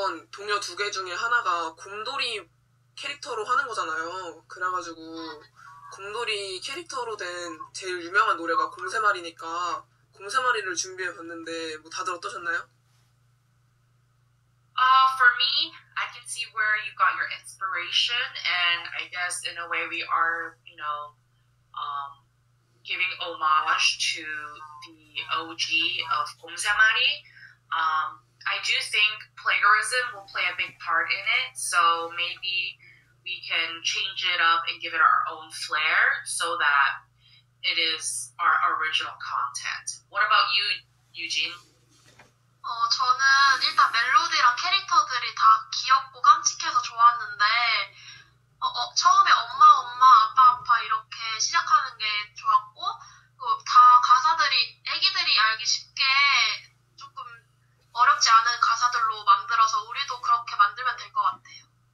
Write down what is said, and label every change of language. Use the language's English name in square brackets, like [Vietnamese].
[Korean] 동료 두 개 중에 하나가 곰돌이 캐릭터로 하는 거잖아요. 그래가지고 곰돌이 캐릭터로 된 제일 유명한 노래가 곰세마리니까 곰세마리를 준비해 봤는데 뭐 다들 어떠셨나요? [English] For me, I can see where you got your inspiration, and I guess in a way we are, you know, giving homage to the OG of 곰세마리. I do think plagiarism will play a big part in it, so maybe we can change it up and give it our own flair so that it is our original content. What about you, Eugene? [Korean] 저는 일단 멜로디랑 캐릭터들이 다 귀엽고 깜찍해서 좋았는데 처음에 엄마 엄마 아빠 아빠 이렇게 시작하는 게 좋았고 다 가사들이 애기들이 알기 쉽게 조금 어렵지 않은 가사들로 만들어서 우리도 그렇게 만들면 될 것 같아요.